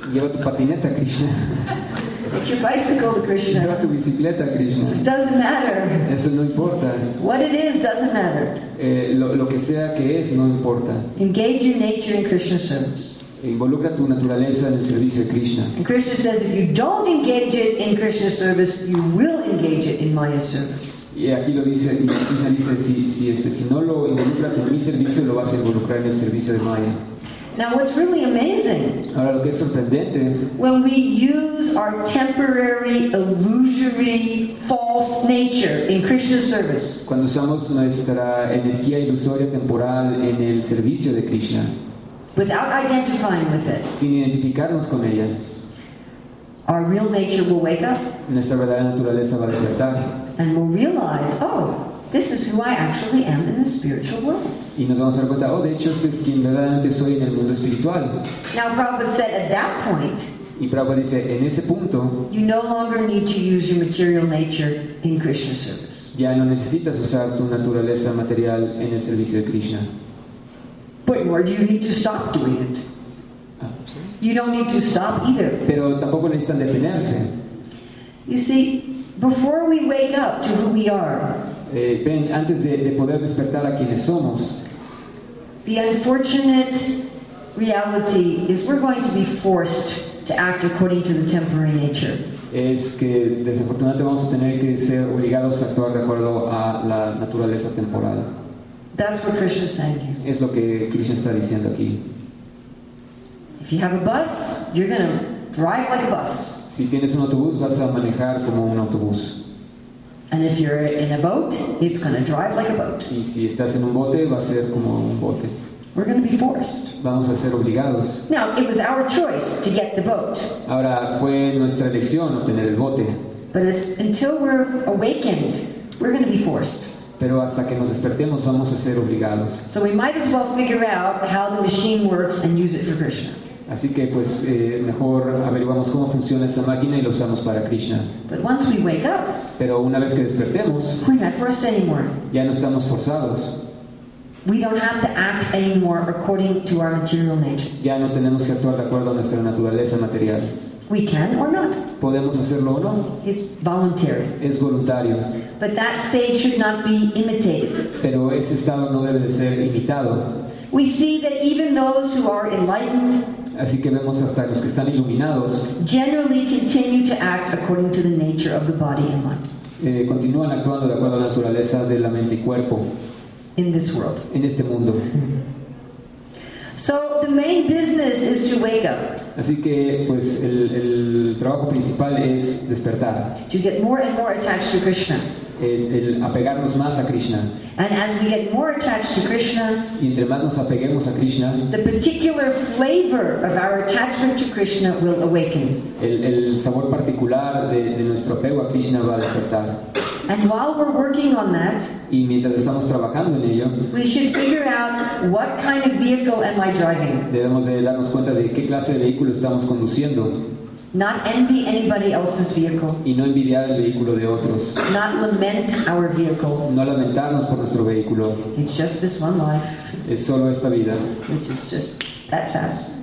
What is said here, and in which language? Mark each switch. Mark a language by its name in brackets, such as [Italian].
[Spanish] Lleva tu patineta a Krishna. [English] Take your bicycle to Krishna. [Spanish] Lleva tu bicicleta a Krishna. [English] It doesn't matter. [Spanish] Eso no importa. [English] What it is doesn't matter. [Spanish] Lo que sea que es no importa. [English] Engage your nature in Krishna's service. [Spanish] Involucra tu naturaleza en el servicio de Krishna. [English] And Krishna says, if you don't engage it in Krishna's service, you will engage it in Maya's service. [Spanish] Y aquí lo dice, y Krishna dice, si no lo involucras en mi servicio, lo vas a involucrar en el servicio de Maya. [English] Now what's really amazing, [Spanish] ahora, lo que es sorprendente, [English] when we use our temporary, illusory, false nature in Krishna's service, [Spanish] cuando usamos nuestra energía ilusoria temporal en el servicio de Krishna, [English] without identifying with it, [Spanish] sin identificarnos con ella, [English] our real nature will wake up, [Spanish] nuestra verdadera naturaleza va a despertar, [English] and we'll realize, oh, this is who I actually am in the spiritual world. [Spanish] Y nos vamos a dar cuenta, oh, de hecho, este es quien verdaderamente soy en el mundo espiritual. [English] Now, Prabhupada said, at that point, [Spanish] y Prabhupada dice, en ese punto, [English] you no longer need to use your material nature in Krishna's service. [Spanish] Ya no necesitas usar tu naturaleza material en el servicio de Krishna. [English] But more do you need to stop doing it? You don't need to stop either. [Spanish] Pero tampoco necesitan detenerse. [English] You see, before we wake up to who we are, [Spanish] Ven, antes de poder despertar a quienes somos, [English] the unfortunate reality is we're going to be forced to act according to the temporary nature. [Spanish] Es que desafortunadamente vamos a tener que ser obligados a actuar de acuerdo a la naturaleza temporal. [English] That's what Krishna's saying. [Spanish] Es lo que Krishna está diciendo aquí. [English] If you have a bus, you're going to drive like a bus. [Spanish] Si tienes un autobús, vas a manejar como un autobús. [English] And if you're in a boat, it's going to drive like a boat. [Spanish] Y si estás en un bote, va a ser como un bote. [English] We're going to be forced. [Spanish] Vamos a ser obligados. [English] Now, it was our choice to get the boat. [Spanish] Ahora, fue nuestra elección obtener el bote. [English] But until we're awakened, we're going to be forced. [Spanish] Pero hasta que nos despertemos, vamos a ser obligados. [English] So we might as well figure out how the machine works and use it for Krishna. [Spanish] Así que pues mejor averiguamos cómo funciona esta máquina y lo usamos para Krishna. [English] But once we wake up, [Spanish] pero una vez que despertemos, [English] we're not forced anymore. [Spanish] Ya no estamos forzados. [English] We don't have to act anymore according to our material nature. [Spanish] Ya no tenemos que actuar de acuerdo a nuestra naturaleza material. [English] We can or not. [Spanish] Podemos hacerlo o no. [English] It's voluntary. [Spanish] Es voluntario. [English] But that state should not be imitated. [Spanish] Pero ese estado no debe de ser imitado. [English] We see that even those who are enlightened. [Spanish] Así que vemos hasta los que están iluminados. [English] Generally continue to act according to the nature of the body and mind. [Spanish] Continúan actuando de acuerdo a la naturaleza de la mente y cuerpo. [English] In this world. [Spanish] En este mundo. [English] So the main business is to wake up. [Spanish] Así que, pues, el trabajo principal es despertar. [English] To get more and more attached to Krishna. [Spanish] El apegarnos más a Krishna. [English] And as we get more attached to Krishna, [Spanish] y entre más nos apeguemos a Krishna, [English] the particular flavor of our attachment to Krishna will awaken. [Spanish] El sabor particular de nuestro apego a Krishna va a despertar. [English] And while we're working on that, [Spanish] y mientras estamos trabajando en ello, [English] we should figure out what kind of vehicle am I driving. [Spanish] Debemos de darnos cuenta de qué clase de vehículo estamos conduciendo. [English] Not envy anybody else's vehicle. [Spanish] Y no envidiar el vehículo de otros. [English] Not lament our vehicle. [Spanish] No lamentarnos por nuestro vehículo. [English] It's just this one life. [Spanish] Es solo esta vida. [English] Which is just that fast.